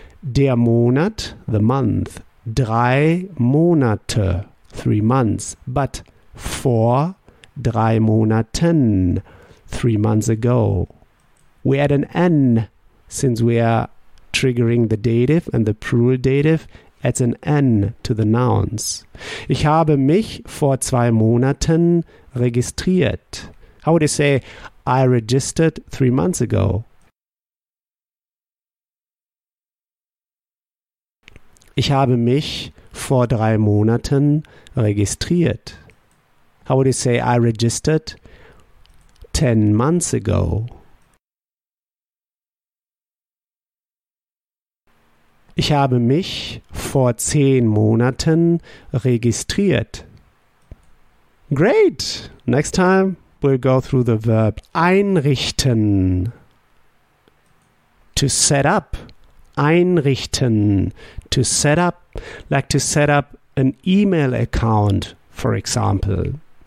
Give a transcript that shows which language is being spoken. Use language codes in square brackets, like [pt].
[de] Der Monat, [en] the month, [de] 3 Monate, [en] 3 months, but [de] vor 3 Monaten, [en] 3 months ago. We add an N, since we are triggering the dative and the plural dative, adds an N to the nouns. [de] Ich habe mich vor 2 Monaten registriert. [en] How would you say, I registered 3 months ago? [de] Ich habe mich vor 3 Monaten registriert. [en] How would you say, I registered 10 months ago? [de] Ich habe mich vor 10 Monaten registriert. [en] Great! Next time we'll go through the verb einrichten. To set up. Einrichten, to set up, like to set up an email account, for example.